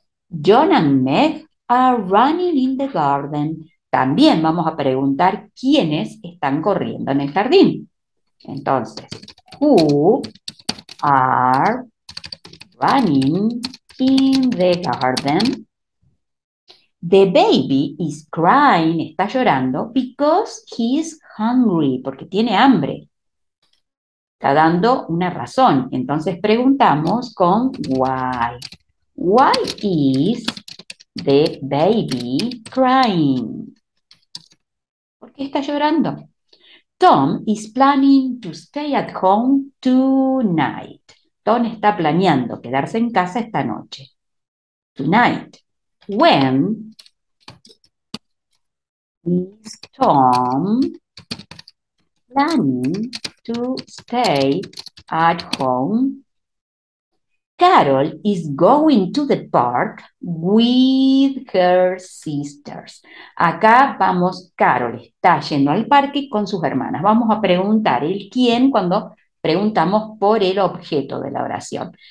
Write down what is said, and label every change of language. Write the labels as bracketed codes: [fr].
[en] John and Meg are running in the garden. [es] También vamos a preguntar quiénes están corriendo en el jardín. [en] Entonces, who are running in the garden? The baby is crying, [es] está llorando, [en] because he is hungry, [es] porque tiene hambre. Está dando una razón. Entonces preguntamos con why. [en] Why is The baby crying. [es] ¿Por qué está llorando? [en] Tom is planning to stay at home tonight. [es] Tom está planeando quedarse en casa esta noche. [en] Tonight. When is Tom planning to stay at home? Carol is going to the park with her sisters. [es] Acá vamos, Carol está yendo al parque con sus hermanas. Vamos a preguntar el quién cuando preguntamos por el objeto de la oración.